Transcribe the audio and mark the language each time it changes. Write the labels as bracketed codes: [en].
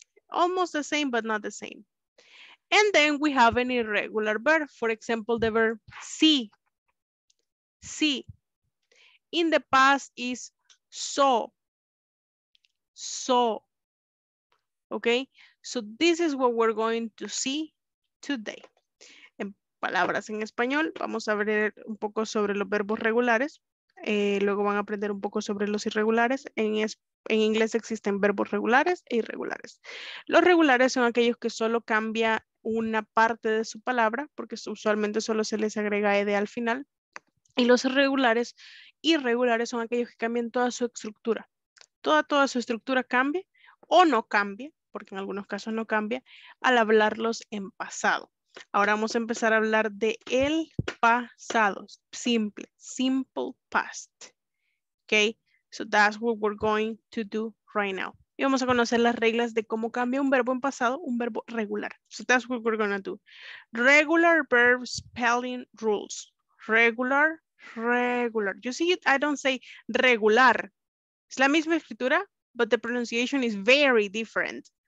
[en] Almost the same, but not the same. And then we have an irregular verb. For example, the verb see. See. In the past is saw. Saw. Okay? So this is what we're going to see today. [es] En palabras en español, vamos a ver un poco sobre los verbos regulares. Luego van a aprender un poco sobre los irregulares. En inglés existen verbos regulares e irregulares. Los regulares son aquellos que solo cambia una parte de su palabra, porque usualmente solo se les agrega ed al final. Y los irregulares son aquellos que cambian toda su estructura. Toda su estructura cambia o no cambia, porque en algunos casos no cambia, al hablarlos en pasado. Ahora vamos a empezar a hablar de el pasado. [en] Simple, simple past. Okay, so that's what we're going to do right now. [es] Y vamos a conocer las reglas de cómo cambia un verbo en pasado, un verbo regular. [en] So that's what we're going to do. Regular verb spelling rules. Regular, regular. You see, I don't say regular. [es] Es la misma escritura, [en] but the pronunciation is very different.